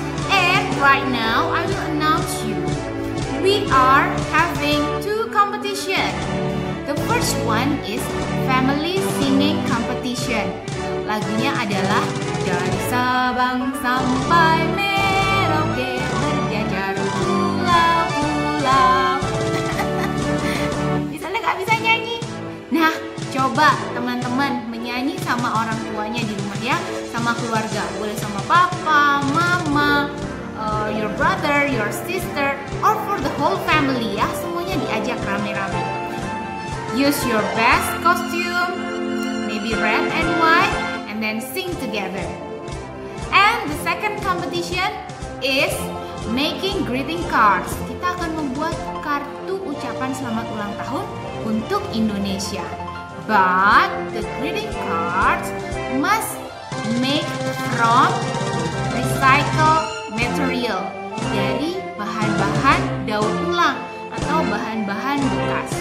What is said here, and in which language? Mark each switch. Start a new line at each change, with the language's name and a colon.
English: And right now, I will announce you, we are having two competition. The first one is Family Singing Competition.
Indonesian: Lagunya adalah Dari Sabang Sampai Merauke Berjajar Pulau-pulau. Misalnya gak bisa nyanyi. Nah, coba teman-teman menyanyi sama orang tuanya di rumah ya, sama keluarga. Boleh sama papa, mama,
English: your brother, your sister, or for the whole family ya.
Indonesian: Semuanya diajak rame-rame.
English: Use your best costume, maybe red and white, and then sing together. And the second competition is making greeting cards.
Indonesian: Kita akan membuat kartu ucapan selamat ulang tahun untuk Indonesia.
English: But the greeting cards must make from recycled material,
Indonesian: dari bahan-bahan daur ulang atau bahan-bahan bekas.